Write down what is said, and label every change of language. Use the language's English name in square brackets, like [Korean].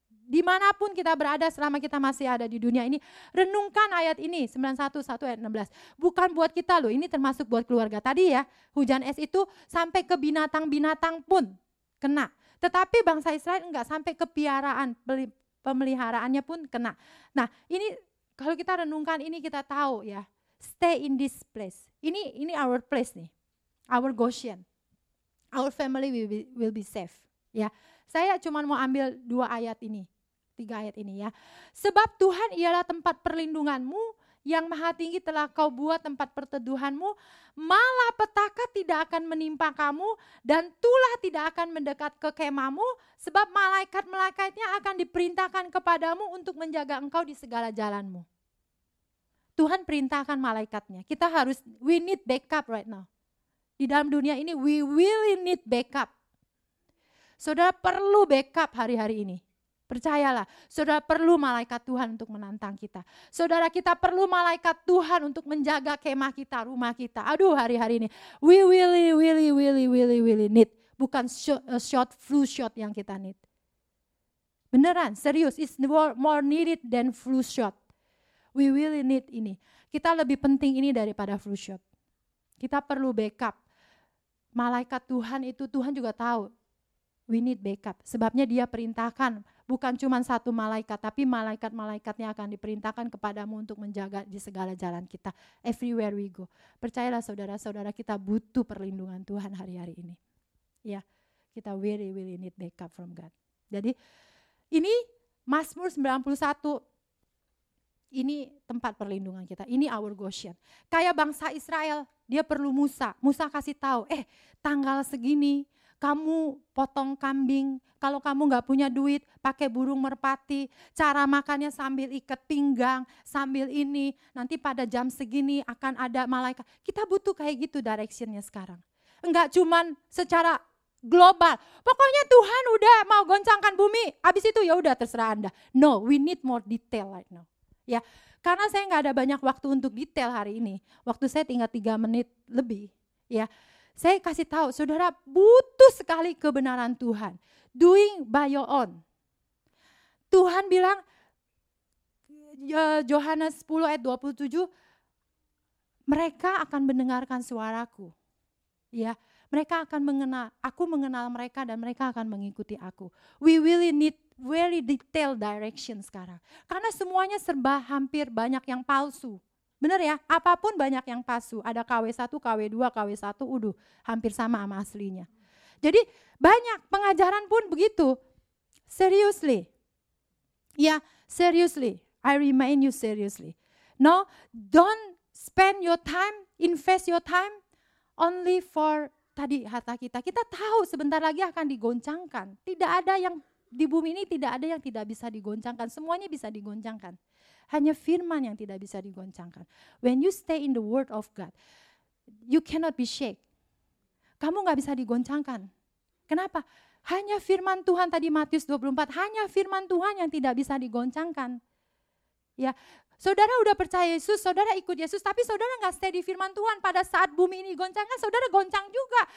[Indonesian] Dimanapun kita berada selama kita masih ada di dunia ini, renungkan ayat ini, 91 ayat 16. Bukan buat kita loh, ini termasuk buat keluarga tadi ya. Hujan es itu sampai ke binatang-binatang pun kena. Tetapi bangsa Israel enggak, sampai ke piaraan, pemeliharaannya pun kena. Nah, ini kalau kita renungkan ini kita tahu ya, [English] stay in this place. Ini our place nih, our Goshen, our family will be safe. [Indonesian] Ya, saya cuma mau ambil dua ayat ini, tiga ayat ini ya. Sebab Tuhan ialah tempat perlindunganmu, yang Maha Tinggi telah kau buat tempat perteduhanmu, malapetaka tidak akan menimpa kamu dan tulah tidak akan mendekat ke kemahmu, sebab malaikat-malaikatnya akan diperintahkan kepadamu untuk menjaga engkau di segala jalanmu. Tuhan perintahkan malaikatnya. Kita harus, [English] we need backup right now. [Indonesian] Di dalam dunia ini, [English] we really need backup. [Indonesian] Saudara perlu backup hari-hari ini. Percayalah, saudara perlu malaikat Tuhan untuk menantang kita. Saudara kita perlu malaikat Tuhan untuk menjaga kemah kita, rumah kita. [English] Aduh, [Indonesian] hari-hari ini, [English] we really, really, really, really, really need. [Indonesian] Bukan [English] short flu shot [Indonesian] yang kita [English] need. [Indonesian] Beneran, serius, [English] it's more needed than flu shot. We really need ini. [Indonesian] Kita lebih penting ini daripada flu shot. Kita perlu backup. Malaikat Tuhan itu, Tuhan juga tahu. We need backup. Sebabnya dia perintahkan, bukan cuma satu malaikat, tapi malaikat-malaikatnya akan diperintahkan kepadamu untuk menjaga di segala jalan kita. [English] Everywhere we go. [Indonesian] Percayalah saudara-saudara, kita butuh perlindungan Tuhan hari-hari ini. [English] Ya, kita really, really need backup from God. [Indonesian] Jadi, ini Mazmur 91. Ini tempat perlindungan kita. Ini [English] our Goshen. [Indonesian] Kayak bangsa Israel, dia perlu Musa. Musa kasih tahu, tanggal segini, kamu potong kambing, kalau kamu gak punya duit, pakai burung merpati, cara makannya sambil ikat pinggang, sambil ini, nanti pada jam segini akan ada malaikat. Kita butuh kayak gitu directionnya sekarang. Enggak cuman secara global, pokoknya Tuhan udah mau goncangkan bumi, abis itu ya udah terserah Anda. [English] No, we need more detail right now. [Indonesian] Ya, karena saya gak ada banyak waktu untuk detail hari ini, waktu saya tinggal 3 menit lebih, ya. Saya kasih tahu, saudara butuh sekali kebenaran Tuhan. [English] Doing by your own. [Indonesian] Tuhan bilang, Yohanes 10 ayat 27, mereka akan mendengarkan suaraku. Ya, mereka akan mengenal, aku mengenal mereka dan mereka akan mengikuti aku. [English] We really need very detailed direction [Indonesian] sekarang. Karena semuanya serba hampir banyak yang palsu. Benar ya, apapun banyak yang palsu, ada KW1, KW2, KW1, uduh, hampir sama aslinya. Jadi banyak pengajaran pun begitu. [English] Seriously. Ya, seriously. I remind you seriously. No, don't spend your time, invest your time only for [Indonesian] tadi harta kita. Kita tahu sebentar lagi akan digoncangkan. Tidak ada yang di bumi ini tidak ada yang tidak bisa digoncangkan. Semuanya bisa digoncangkan. Hanya firman yang tidak bisa digoncangkan. [English] When you stay in the word of God, you cannot be shake. [Indonesian] Kamu gak bisa digoncangkan. Kenapa? Hanya firman Tuhan tadi Matius 24, hanya firman Tuhan yang tidak bisa digoncangkan. Ya, saudara udah percaya Yesus, saudara ikut Yesus, tapi saudara gak stay di firman Tuhan pada saat bumi ini goncangkan, saudara goncang juga.